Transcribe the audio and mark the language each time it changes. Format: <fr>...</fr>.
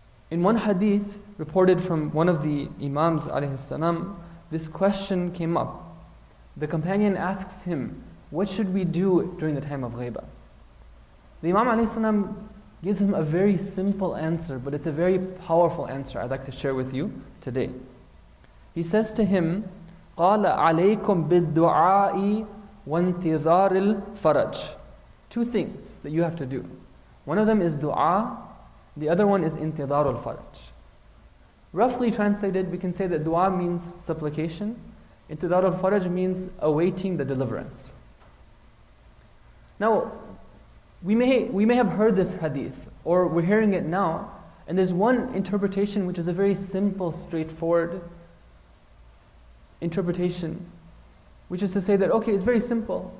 <en>In one hadith reported from one of the imams, alayhis salam, this question came up. The companion asks him, what should we do during the time of ghaibah? The imam, alayhis salam, gives him a very simple answer, but it's a very powerful answer I'd like to share with you today. He says to him,</en> <ar>قَالَ عَلَيْكُمْ بِالدُّعَاءِ وَانْتِظَارِ الْفَرَجِ.</ar> <en>Two things that you have to do. One of them is dua, the other one is</en> <ar>انتظار الفرج.</ar> <en>Roughly translated, we can say that dua means supplication,</en> <ar>انتظار الفرج</ar> <en>means awaiting the deliverance. Now, we may have heard this hadith, or we're hearing it now, and there's one interpretation which is a very simple, straightforward interpretation, which is to say that, okay, it's very simple.</en>